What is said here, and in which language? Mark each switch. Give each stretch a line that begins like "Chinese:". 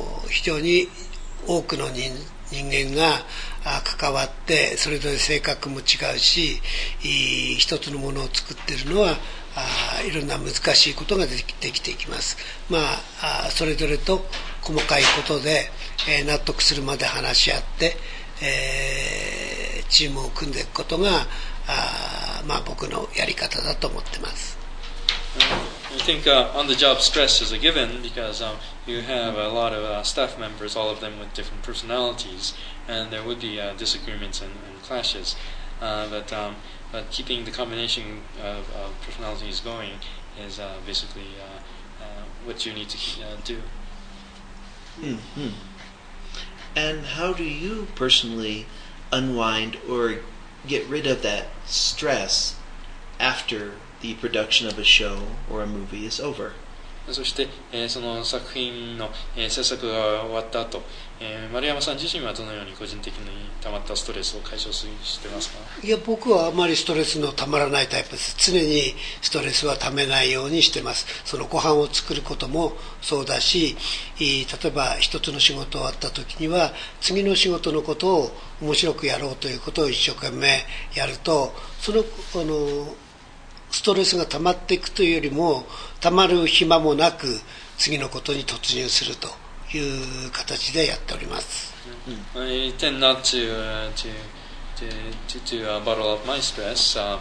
Japanese: 非常に多くの人間が関わって、それぞれ性格も違うし、一つのものを作っているのはいろんな難しいことができていきます。それぞれと細かいことで、納得するまで話し合って、チームを組んでいくことが僕のやり方だと思ってます。
English: I think on the job stress is a given because you have a lot of staff members, all of them with different personalities, and there would be disagreements and clashes. But keeping the combination of personalities going is basically what you need to do. Mm-hmm. And how do you personally unwind or get rid of that stress after? The production of a show or a movie is over.
Japanese: そして、その作品の、制作が終わった後、丸山さん自身はどのように個人的に溜まったストレスを解消してますか？いや、僕はあまりストレスの溜まらないタイプです。常にストレスは溜めないようにしてます。そのご飯を作ることもそうだし、例えば一つの仕事終わった時には次の仕事のことを面白くやろうということを一生懸命やると、そのストレスが溜まっていくというよりも、溜まる暇もなく次のことに突入するという形でやっております。
English: I tend not to bottle up my stress.